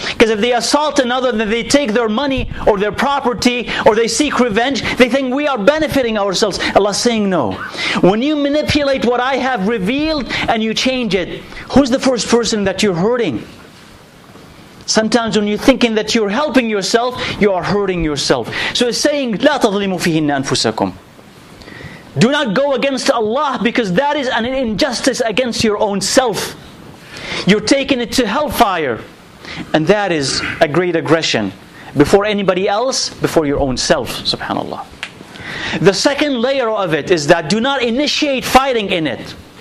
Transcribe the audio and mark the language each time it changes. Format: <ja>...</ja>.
<en>Because if they assault another, then they take their money or their property or they seek revenge. They think we are benefiting ourselves. Allah saying no. When you manipulate what I have revealed and you change it, who's the first person that you're hurting? Sometimes when you're thinking that you're helping yourself, you are hurting yourself. So it's saying,</en> <ar>لا تظلموا فيهن أنفسكم.</ar> <en>Do not go against Allah because that is an injustice against your own self. You're taking it to hellfire. And that is a great aggression before anybody else, before your own self, subhanAllah. The second layer of it is that do not initiate fighting in it.</en>